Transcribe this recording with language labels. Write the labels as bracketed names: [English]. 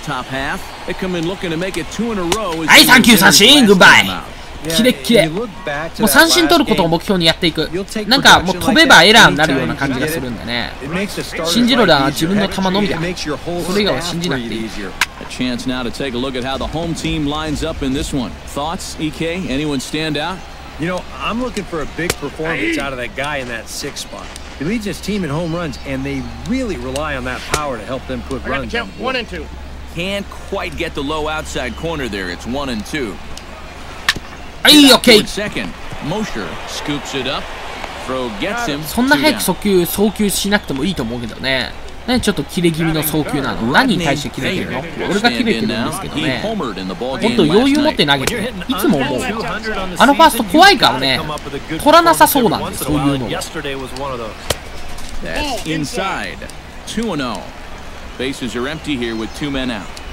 [Japanese] はい、3球三振、グッバイ。キレッキレ。もう三振取ることを目標にやっていく。なんかもう飛べばエラーになるような感じがするんだね。信じろだ、自分の球のみだ。それ以外は信じなくていい。 [English] Chance now to take a look at how the home team lines up in this one. Thoughts, EK? Anyone stand out? You know, I'm looking for a big performance out of that guy in that sixth spot. He leads his team in home runs, and they really rely on that power to help them put runs. Count one and two. Can't quite get the low outside corner there. It's one and two. Hey, okay. Second, Mosher scoops it up. Throw gets him. [Japanese] そんな早く速球送球しなくてもいいと思うけどね。ちょっとキレ気味の送球なの。何に対してキレてるの？俺がキレてるんですけどね。もっと余裕持って投げて。いつも思う。あのファースト怖いからね。取らなさそうなんです、そういうの。 [English] Inside, 2-0. Bases are empty here with two men out.